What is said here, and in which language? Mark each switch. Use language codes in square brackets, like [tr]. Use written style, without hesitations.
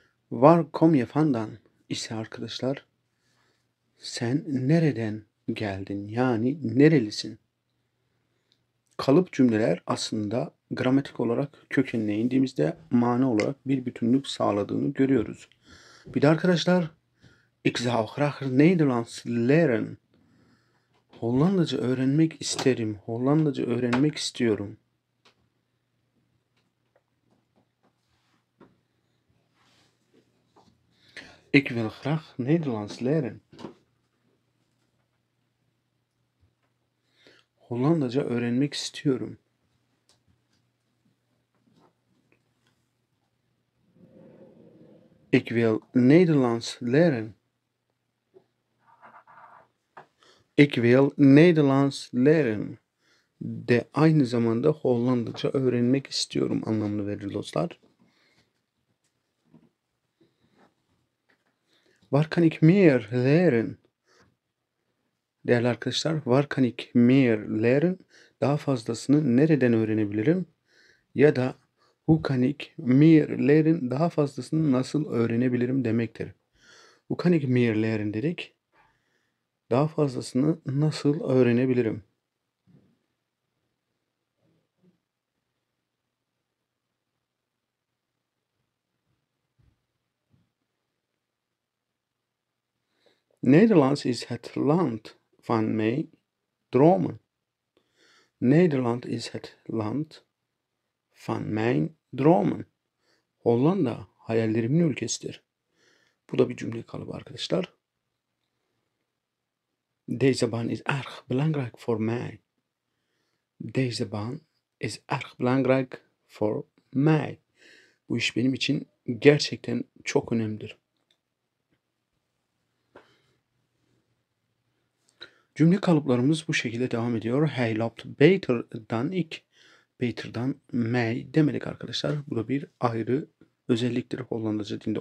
[nl] Waar kom je vandaan [tr] ise arkadaşlar, sen nereden geldin? Yani nerelisin? Kalıp cümleler aslında gramatik olarak kökenine indiğimizde mana olarak bir bütünlük sağladığını görüyoruz. Bir de arkadaşlar, [nl] ik zou graag Nederlands leren. [tr] Hollandaca öğrenmek isterim. Hollandaca öğrenmek istiyorum. [nl] Ik wil graag Nederlands leren. [tr] Hollandaca öğrenmek istiyorum. [nl] Ik wil Nederlands leren. Ik wil Nederlands leren. [tr] De aynı zamanda Hollandaca öğrenmek istiyorum anlamını verir dostlar. [nl] Waar kan ik meer leren? [tr] Değerli arkadaşlar, [nl] waar kan ik meer leren? [tr] Daha fazlasını nereden öğrenebilirim? [nl] Ya da hoe kan ik meer leren? [tr] Daha fazlasını nasıl öğrenebilirim demektir. [nl] Hoe kan ik meer leren [tr] dedik. Daha fazlasını nasıl öğrenebilirim? [nl] Nederland is het land van mijn dromen. Nederland is het land van mijn dromen. [tr] Hollanda hayallerimin ülkesidir. Bu da bir cümle kalıbı arkadaşlar. [nl] Deze baan is erg belangrijk voor mij. Deze baan is erg belangrijk voor mij. [tr] Bu iş benim için gerçekten çok önemlidir. Cümle kalıplarımız bu şekilde devam ediyor. [nl] Hij loopt beter dan ik. Beter dan mij [tr] demedik arkadaşlar. Bu da bir ayrı özelliktir Hollandaca dilinde.